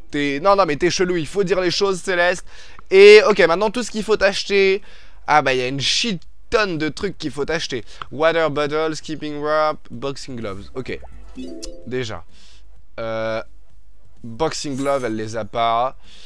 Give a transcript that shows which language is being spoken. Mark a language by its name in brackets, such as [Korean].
[French] T'es chelou, il faut dire les choses, Céleste. Et ok, maintenant tout ce qu'il faut t'acheter. Ah bah, il y a une shit tonne de trucs qu'il faut t'acheter. [English] Water bottle, skipping rope, boxing gloves. [French] Ok, déjà. [English] Boxing glove, [French] elle les a pas.